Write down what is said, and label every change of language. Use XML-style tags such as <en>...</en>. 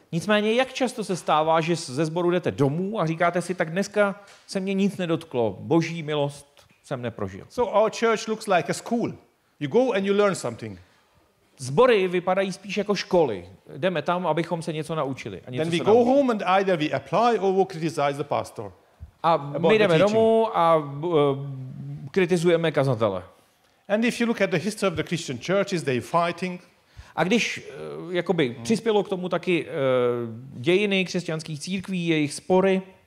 <cs>Nicméně, jak často se stává, že ze sboru jdete domů a říkáte si, tak dneska se mě nic nedotklo, boží milost jsem neprožil.</cs> <en>So our church looks like a school. You go and you learn something.</en> <cs>Sbory vypadají spíš jako školy. Jdeme tam, abychom se něco naučili. A něco</cs> <en>then we go home and either we apply or we criticize the pastor.</en> <cs>A my jdeme domů a kritizujeme kazatele.</cs> <en>And if you look at the history of the Christian church, is they fighting?</en> <cs>A když jakoby přispělo k tomu taky dějiny křesťanských církví, jejich spory.</cs>